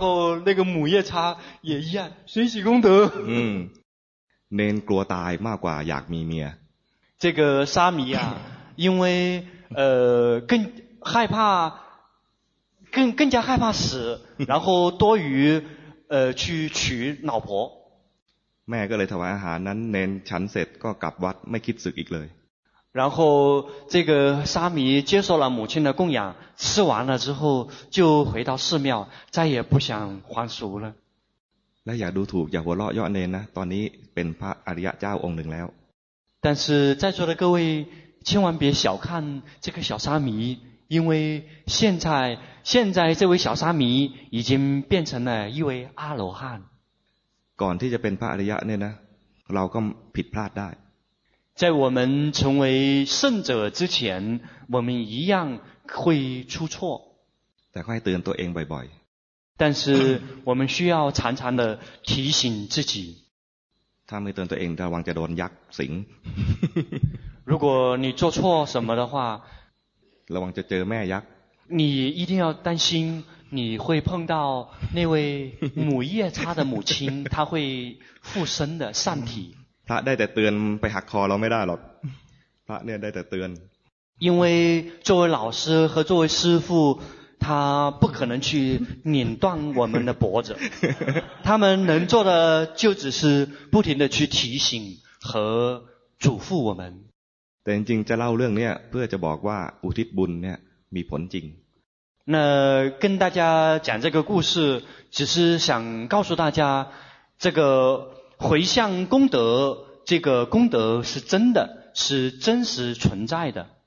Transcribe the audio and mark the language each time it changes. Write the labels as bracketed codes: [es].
[zh] 然后那个母夜叉也一样สุยสีกงเต๋อ [th] เนนกลัวตายมากกว่าอยากมีเมีย [zh] 这个沙弥啊因为更害怕更加害怕死然后多于去娶老婆 [th] แม่ก็เลยถวายอาหารนั้นเนนฉันเสร็จก็กลับวัดไม่คิดสึกอีกเลย [zh] 然后这个沙弥接受了母亲的供养吃完了之后就回到寺庙再也不想还俗了 [th] และอย่าดูถูกอย่าหัวเราะเยาะเนนนะตอนนี้เป็นพระอริยะเจ้าองค์หนึ่งแล้ว [zh] 但是在座的各位千万别小看这个小沙弥因为现在这位小沙弥已经变成了一位阿罗汉 [th] ก่อนที่จะเป็นพระอริยะเนี่ยนะเราก็ผิดพลาดได้ [zh] 在我们成为圣者之前，我们一样会出错。 [th] แต่ก็ให้เตือนตัวเองบ่อย [zh] ๆ但是我们需要常常的提醒自己。 [th] ถ้าไม่เตือนตัวเองระวังจะโดนยักษ์สิง [zh] 如果你做错什么的话， [th] ระวังจะเจอแม่ยักษ์。 [zh] 你一定要担心你会碰到那位母夜叉的母亲，她会附身的上体。 [th] พระได้แต่เตือนไปหักคอเราไม่ได้หรอกพระเนี่ยได้แต่เตือน [zh] 因为作为老师和作为师父他不可能去拧断我们的脖子他们能做的就只是不停的去提醒和嘱咐我们 [th] แต่จริงจะเล่าเรื่องเนี้ยเพื่อจะบอกว่าอุทิศบุญเนี่ยมีผลจริง [zh] 那跟大家讲这个故事只是想告诉大家这个回向功德，这个功德是真的，是真实存在的。